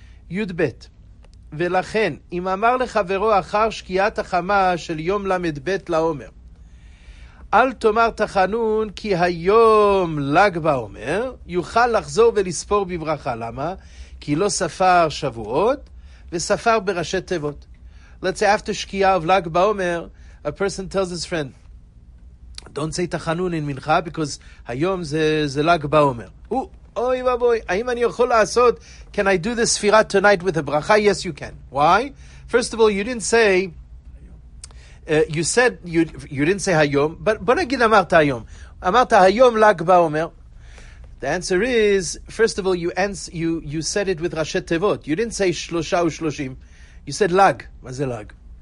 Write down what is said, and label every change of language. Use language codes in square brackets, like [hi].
[he] י' ב', ולכן, אם אמר לחברו אחר שקיעת החמה של יום למד ב' לעומר, אל תאמר תחנון כי היום לג בעומר יוכל לחזור ולספור בברכה. למה? כי לא ספר שבועות וספר בראשי תיבות. [en] Let's say after שקיעה of לג בעומר, a person tells his friend, don't say תחנון in מנחה because היום זה לג בעומר. [he] אוי ובוי, האם אני יכול לעשות, [en] can I do the ספירה tonight with a ברכה? Yes, you can. Why? First of all, you didn't say, you didn't say hayom, but [he] בוא נגיד אמרת היום. אמרת היום לג בעומר. [en] The answer is, first of all, you said it with ראשי תיבות. You didn't say שלושה ושלושים. You said לג. [he] מה זה לג?